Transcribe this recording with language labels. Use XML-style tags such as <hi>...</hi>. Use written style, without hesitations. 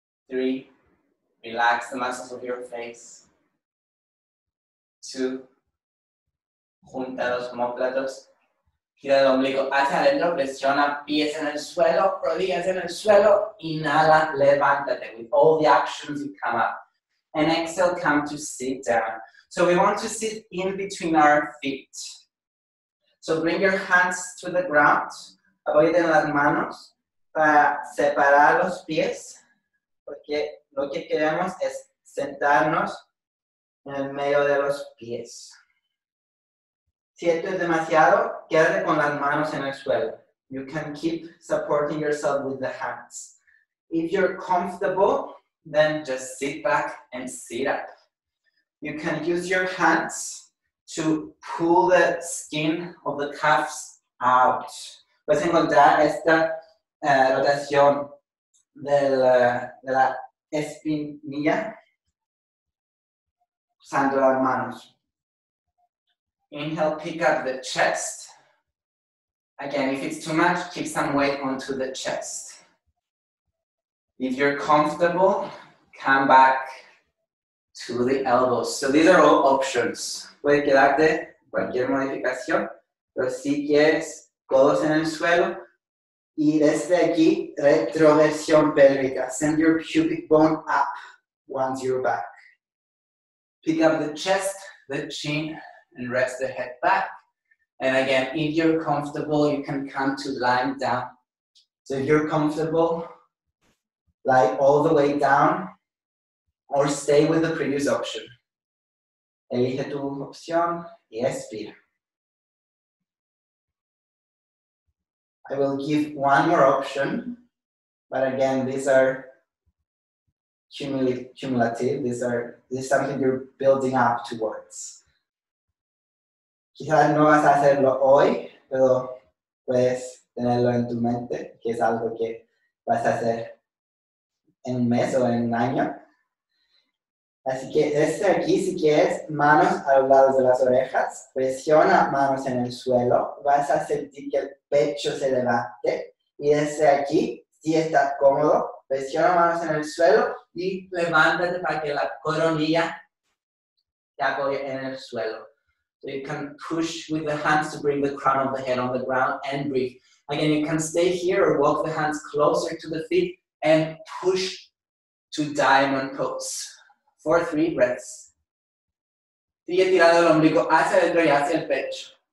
<en>Three, relax the muscles of your face. Two,</en> <es>junta los omóplatos. Gira el ombligo hacia adentro, presiona pies en el suelo, rodillas en el suelo, inhala, levántate.</es> <en>With all the actions, you come up. And exhale, come to sit down. So we want to sit in between our feet. So bring your hands to the ground.</en> <es>Apoyen las manos para separar los pies. Porque lo que queremos es sentarnos en el medio de los pies. Si esto es demasiado, quédate con las manos en el suelo.</es> <en>You can keep supporting yourself with the hands. If you're comfortable, then just sit back and sit up. You can use your hands to pull the skin of the calves out.</en> <es>Puedes encontrar esta rotación de la espinilla cruzando las manos.</es> <en>Inhale, pick up the chest. Again, if it's too much, keep some weight onto the chest. If you're comfortable, come back to the elbows. So these are all options.</en> <es>Puede quedarte cualquier modificación, pero si quieres, codos en el suelo. Y desde aquí, retroversión pélvica.</es> <en>Send your pubic bone up once you're back. Pick up the chest, the chin, and rest the head back. And again, if you're comfortable, you can come to lying down. So if you're comfortable, lie all the way down or stay with the previous option.</en> <es>Elige tu opción y expira.</es> <en>I will give one more option, but again, these are cumulative. This is something you're building up towards.</en> <es>Quizás no vas a hacerlo hoy, pero puedes tenerlo en tu mente, que es algo que vas a hacer en un mes o en un año. Así que desde aquí, si quieres, manos a los lados de las orejas, presiona manos en el suelo, vas a sentir que el pecho se levante, y desde aquí, si estás cómodo, presiona manos en el suelo y levántate para que la coronilla te apoye en el suelo.</es> <en>So you can push with the hands to bring the crown of the head on the ground and breathe. Again, you can stay here or walk the hands closer to the feet and push to diamond pose. For three breaths.</en> <es>Sigue tirando el ombligo hacia adentro y hacia el pecho.</es>